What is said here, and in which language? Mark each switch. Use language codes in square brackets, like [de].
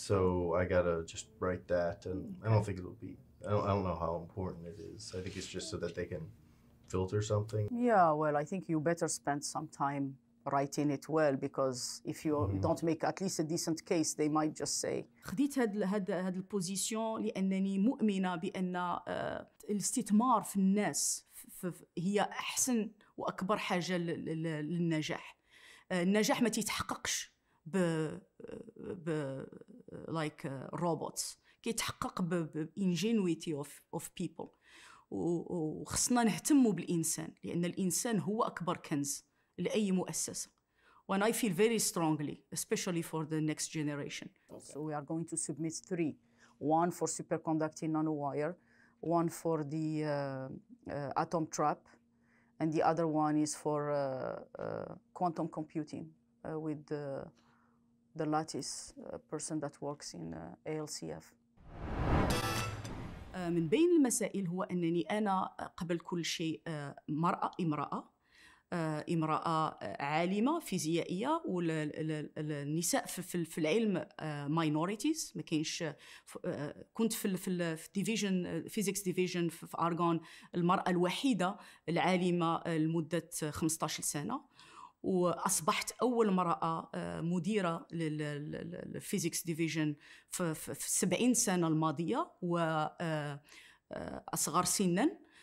[en] So I gotta just write that, and okay. I don't think it'll be, I don't know how important it is. I think it's just so that they can filter something. Yeah, well, I think you better spend some time writing it well, because if you don't make at least a decent case, they might just say. [ar] خديت هاد البوزيشن لأنني مؤمنة بأن الاستثمار في الناس هي أحسن وأكبر حاجة للنجاح. النجاح ما تتحققش ب [en] like robots [ar] كيتحقق [en] بالانجينويتي of people [ar] وخصنا نهتموا بالانسان لان الانسان هو اكبر كنز لاي مؤسسه. [en] When I feel very strongly, especially for the next generation. Okay. So we are going to submit three. One for superconducting nanowire, one for the atom trap, and the other one is for quantum computing with the lattice person that works in ALCF. [ar] من بين المسائل هو أنني أنا قبل كل شيء مرأة امرأة امرأة عالمة فيزيائية والنساء في العلم [en] minorities [ar] ما كاينش كنت في [en] الديفيجن physics division [ar] في أرغون المرأة الوحيدة العالمة لمدة 15 سنة وأصبحت أول مرأة مديرة [en] للفيزيكس ديفيجن [ar] في 70 سنة الماضية وأصغر سنا